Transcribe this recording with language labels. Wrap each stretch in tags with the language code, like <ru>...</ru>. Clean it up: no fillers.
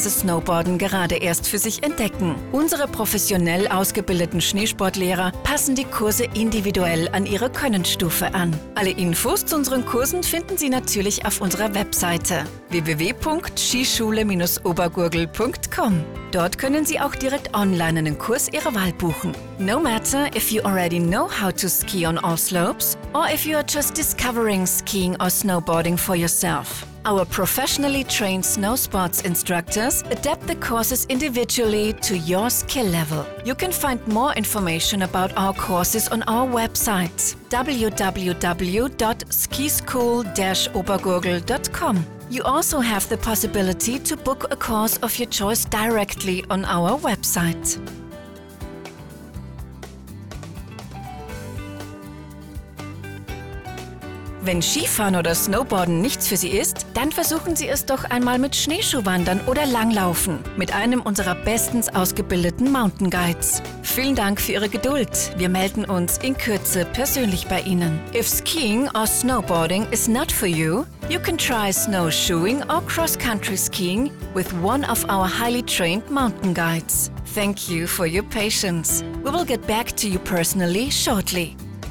<de>Snowboarden gerade erst für sich entdecken. Unsere professionell ausgebildeten Schneesportlehrer passen die Kurse individuell an Ihre Könnenstufe an. Alle Infos zu unseren Kursen finden Sie natürlich auf unserer Webseite www.skischule-obergurgl.com. Dort können Sie auch direkt online einen Kurs Ihrer Wahl buchen.</de> <en>No matter if you already know how to ski on all slopes or if you are just discovering skiing or snowboarding for yourself. Our professionally trained snow sports instructors adapt the courses individually to your skill level. You can find more information about our courses on our website www.skischool-obergurgl.com. You also have the possibility to book a course of your choice directly on our website.</en> <de>Wenn Skifahren oder Snowboarden nichts für Sie ist, dann versuchen Sie es doch einmal mit Schneeschuhwandern oder Langlaufen mit einem unserer bestens ausgebildeten Mountain Guides. Vielen Dank für Ihre Geduld. Wir melden uns in Kürze persönlich bei Ihnen.</de> <en>If skiing or snowboarding is not for you, you can try snowshoeing or cross-country skiing with one of our highly trained mountain guides. Thank you for your patience. We will get back to you personally shortly.</en>